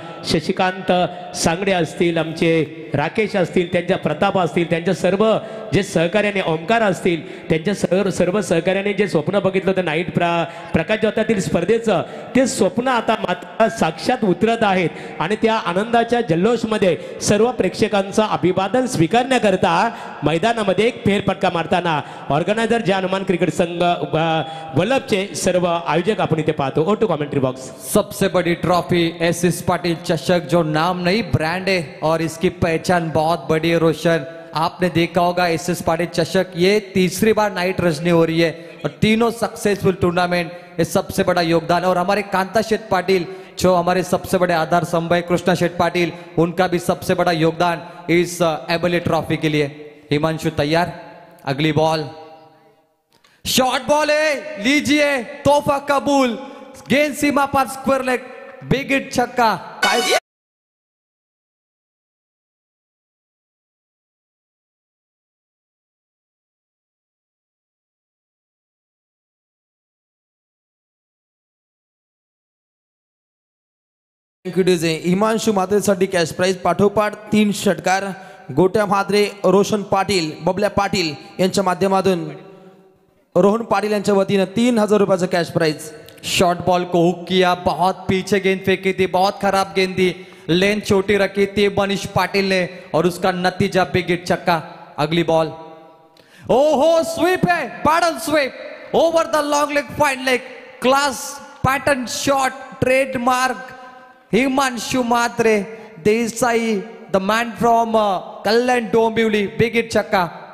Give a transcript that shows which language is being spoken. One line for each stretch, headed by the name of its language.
Marathi: शशिकांत सांगडे असतील, आमचे राकेश असतील, त्यांच्या प्रताप असतील, त्यांच्या सर्व जे सहकार्याने ओंकार असतील, त्यांच्या सर्व सहकार्याने जे स्वप्न बघितलं होतं नाईट प्रकाश ज्योतातील स्पर्धेचं, ते स्वप्न आता मात्र साक्षात उतरत आहेत, आणि त्या आनंदाच्या जल्लोषमध्ये सर्व प्रेक्षकांचं अभिवादन स्वीकारण्याकरता मैदानामध्ये एक फेरफटका मारताना ऑर्गनायझर जानमान क्रिकेट संघ वल्लभचे सर्व आयोजक आपण इथे पाहतो।
English: ओ to commentary box,
Hindi: सबसे बडी ट्रॉफी एस एस पाटील चषक, जो नाम नहीं ब्रँड आहे और इसकी पहचान बहुत बड़ी है। रोशन आपने देखा होगा एस एस पाटील चषक, ये तीसरी बार नाइट रजनी हो रही है और तीनों सक्सेसफुल टूर्नामेंट, ये सबसे बड़ा योगदान है। और हमारे कांता शेठ पाटिल जो हमारे सबसे बड़े आधार स्तंभ है, कृष्णा शेठ पाटिल, उनका भी सबसे बड़ा योगदान इस एबली ट्रॉफी के लिए। हिमांशु तैयार, अगली बॉल, शॉर्ट बॉल है, लीजिए तोहफा कबूल, गेंद सीमा पर स्क्वायर लेग, बिग हिट छक्का।
Marathi: हिमांशु मात्रेसाठी कॅश प्राइज, पाठोपाठ 3 षटकार गोट्या मात्रे, रोशन पाटील, बबल्या पाटील यांच्या माध्यमातून रोहन पाटील यांच्या वतीने 3,000 रुपयाचं कॅश प्राइज।
Hindi: शॉर्ट बॉल को हुक किया, बहुत पीछे गेंद फेंकी थी, बहुत खराब गेंद थी, लेंथ छोटी रखी थी मनीष पाटील ने, और उसका नतीजा बिग हिट छक्का। अगली बॉल, ओ हो स्वीप है, pedal SVEEP over the long leg fine leg, class pattern shot, trademark Himanshu Mhatre Desai,
English: the man from Kalyan Dombivli,
Hindi: big hit छक्का।